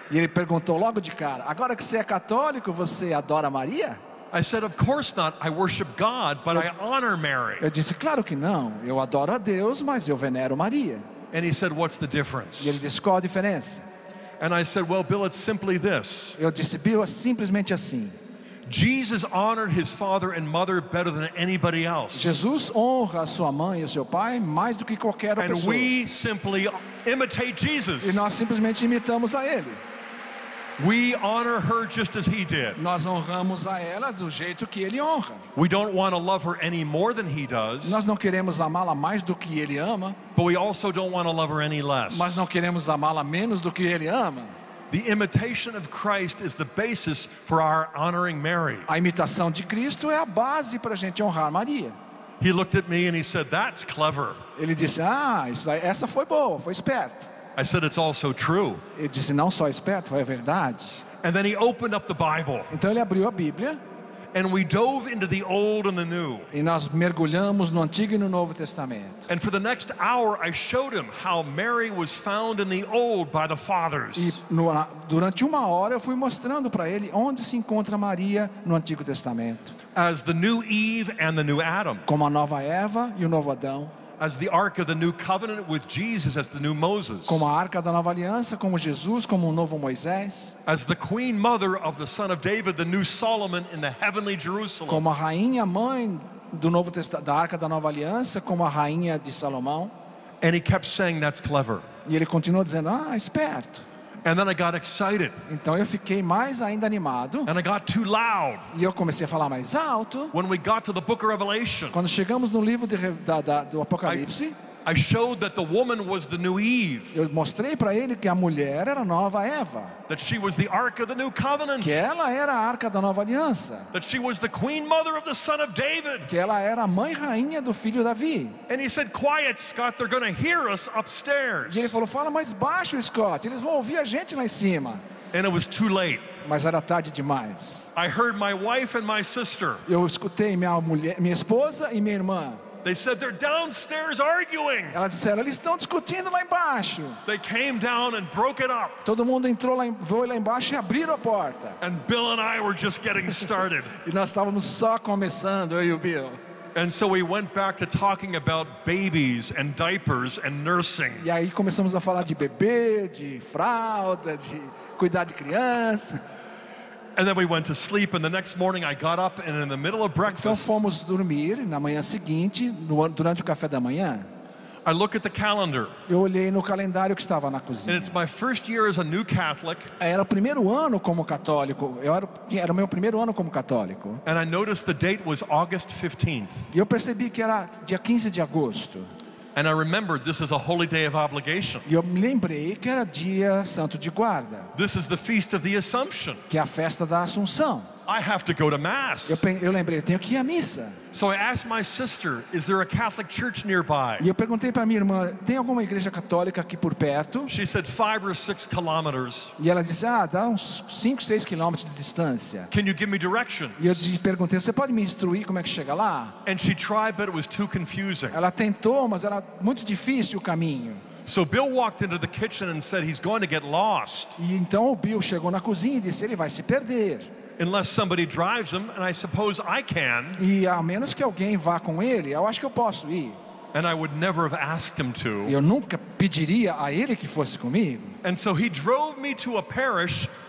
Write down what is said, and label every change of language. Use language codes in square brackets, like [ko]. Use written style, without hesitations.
[pt] E ele perguntou logo de cara, "Agora que você é católico, você adora Maria?" [en] I said, "Of course not. I worship God, but I honor Mary." [pt] Eu disse, "Claro que não. Eu adoro a Deus, mas eu venero Maria." [en] And he said, "What's the difference?" [pt] E ele disse, "Qual a diferença?" [en] And I said, "Well, Bill, it's simply this." [pt] Eu disse, "Bill, é simplesmente assim." [en] Jesus honored his father and mother better than anybody else. [pt] Jesus honra sua mãe e seu pai mais do que qualquer outra pessoa. [en] And we simply imitate Jesus. [pt] E nós simplesmente imitamos a ele. [en] We honor her just as he did. [pt] Nós honramos a ela do jeito que ele honra. [en] We don't want to love her any more than he does. [pt] Nós não queremos amá-la mais do que ele ama. [en] But we also don't want to love her any less. [pt] Mas não queremos amá-la menos do que ele ama. [en] The imitation of Christ is the basis for our honoring Mary. [pt] A imitação de Cristo é a base para a gente honrar Maria. [en] He looked at me and he said, "That's clever." [pt] Ele disse, essa foi boa, foi esperto. [en] I said, "It's also true." [pt] Ele disse, não só esperto, é verdade. [en] And then he opened up the Bible. [pt] Então ele abriu a Bíblia. [en] And we dove into the Old and the New. [pt] E nós mergulhamos no Antigo e no Novo Testamento. [en] And for the next hour, I showed him how Mary was found in the Old by the fathers. [pt] E durante uma hora eu fui mostrando para ele onde se encontra Maria no Antigo Testamento. [en] As the new Eve and the new Adam. [pt] Como a nova Eva e o novo Adão. [en] As the Ark of the New Covenant with Jesus as the new Moses. [pt] Como a Arca da Nova Aliança, como Jesus, como o novo Moisés. [en] As the Queen Mother of the Son of David, the new Solomon in the heavenly Jerusalem. [pt] Como a Rainha Mãe do Novo Testamento, da Arca da Nova Aliança, como a Rainha de Salomão. [en] And he kept saying, "That's clever." [pt] E ele continuou dizendo, "Ah, esperto." [en] And then I got excited. [pt] Então eu fiquei mais ainda animado. [en] And I got too loud. [pt] E eu comecei a falar mais alto. [en] When we got to the book of Revelation. [pt] Quando chegamos no livro do Apocalipse. [en] I showed that the woman was the new Eve. [pt] Eu mostrei para ele que a mulher era a nova Eva. [en] That she was the Ark of the New Covenant. [pt] Que ela era a Arca da Nova Aliança. [en] That she was the Queen Mother of the Son of David. [pt] Que ela era a mãe rainha do filho Davi. [en] And he said, "Quiet, Scott. They're going to hear us upstairs." [pt] E ele falou, "Fala mais baixo, Scott. Eles vão ouvir a gente lá em cima." [en] And it was too late. [pt] Mas era tarde demais. [en] I heard my wife and my sister. [pt] Eu escutei minha esposa e minha irmã. [en] They said, "They're downstairs arguing." [pt] Elas disseram, eles estão discutindo lá embaixo. [en] They came down and broke it up. [pt] Todo mundo entrou lá, foi lá embaixo e abriu a porta. [en] And Bill and I were just getting started. [pt] E nós estávamos só começando, eu e o Bill. [en] And so we went back to talking about babies and diapers and nursing. [pt] E aí começamos a falar de bebê, de fralda, de cuidar de criança. [en] And then we went to sleep, and the next morning I got up, and in the middle of breakfast. [pt] Então fomos dormir na manhã seguinte, durante o café da manhã. [en] I look at the calendar. [pt] Eu olhei no calendário que estava na cozinha. [en] And it's my first year as a new Catholic. [pt] Era o primeiro ano como católico. Era o meu primeiro ano como católico. [en] And I noticed the date was August 15th. [pt] E eu percebi que era dia 15 de agosto. [en] And I remembered this is a holy day of obligation. [pt] Eu me lembrei que era dia santo de guarda. [en] This is the feast of the Assumption. [pt] Que é a festa da Assunção. [en] I have to go to mass. [pt] Eu lembrei, eu tenho que ir à missa. [en] So I asked my sister, "Is there a Catholic church nearby?" [pt] E eu perguntei para minha irmã, tem alguma igreja católica aqui por perto? [en] She said 5 or 6 kilometers. [pt] E ela disse, dá uns 5, 6 quilômetros de distância. [en] Can you give me directions? [pt] E eu perguntei, você pode me instruir como é que chega lá? [en] And she tried, but it was too confusing. [pt] Ela tentou, mas era muito difícil o caminho. [en] So Bill walked into the kitchen and said, "He's going to get lost." [pt] E então o Bill chegou na cozinha e disse, ele vai se perder. [en] Unless somebody drives him, and I suppose I can. [pt] E a menos que alguém vá com ele, eu acho que eu posso ir. [en] And I would never have asked him to. [pt] Eu nunca pediria a ele que fosse comigo. [en] And so he drove me to a parish.